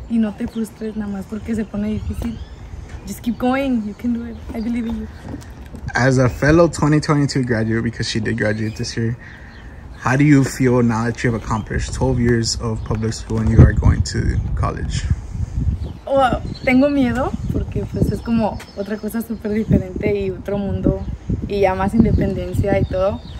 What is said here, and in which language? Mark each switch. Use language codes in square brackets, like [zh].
[es] Y no te frustres nada más porque se pone difícil. [en] Just keep going. You can do it. I believe in you. As a fellow 2022 graduate, because she did graduate this year, how do you feel now that you have accomplished 12 years of public school and you are going to college? [es] Well, tengo miedo porque pues es como otra cosa super diferente y otro mundo y ya más independencia y todo.